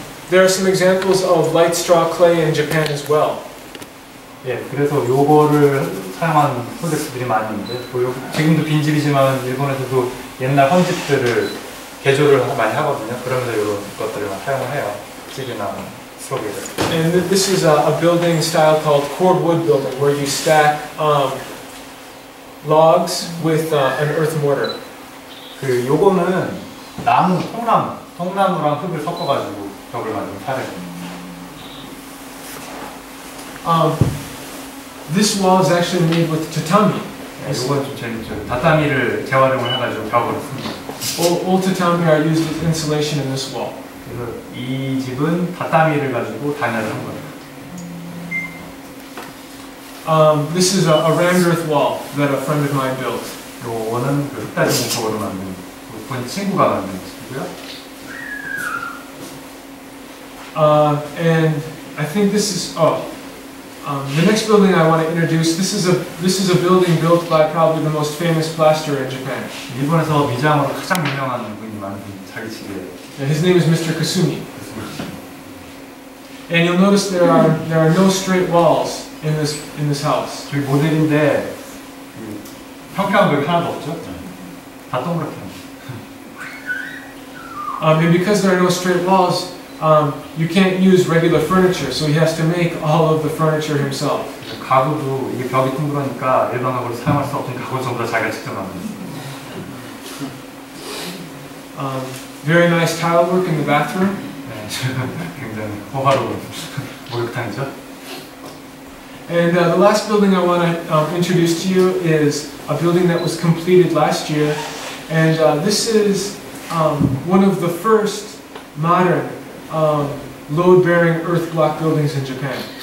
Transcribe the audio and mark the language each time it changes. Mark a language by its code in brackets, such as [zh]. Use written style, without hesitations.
[en] There are some examples of light straw clay in Japan as well. [ko] 예, 그래서 요거를 사용한 프로젝트들이 많이 있는데, 요, 지금도 빈집이지만 일본에서도 옛날 헌집들을 개조를 많이 하거든요. 그러면서 요런 것들을 사용을 해요. 집이나 [en] And this is a building style called cordwood building, where you stack logs with an earth mortar. [ko] 그 요거는 나무 통나무 통나무랑 흙을 섞어가지고 벽을 만든 사례입니다. [en] This wall is actually made with tatami. [ko] 요건 좀 재밌죠. 다타미를 재활용을 해가지고 벽을 씁니다. [en] All tatami are used with insulation in this wall. [ko] 이 집은 다타미를 가지고 단열을 한 거예요. [en] This is a rammed earth wall that a friend of mine built. [ko] 이거는 그 흙다지 목적으로 만든, 그 친구가 만든 집이고요. [en] And I think this is the next building I want to introduce. This is a building built by probably the most famous plasterer in Japan. [ko] 일본에서 미장으로 가장 유명한 분이 만든 자기 집이에요. [en] Yeah, his name is Mr. Kasumi. And you'll notice there are no straight walls in this house. [ko] 저기 모델인데 평평한 벽이 하나도 없죠? 다 동그랗게. [en] And because there are no straight walls, you can't use regular furniture, so he has to make all of the furniture himself. [ko] 가구도 이게 벽이 동그라니까 일반 가구를 사용할 수 없으니까 가구 전부 다 자기가 직접 만든. [en] Very nice tile work in the bathroom. [ko] 굉장히 호화로운 목욕탕이죠. [en] And the last building I want to introduce to you is a building that was completed last year. And this is one of the first modern load-bearing earth block buildings in Japan.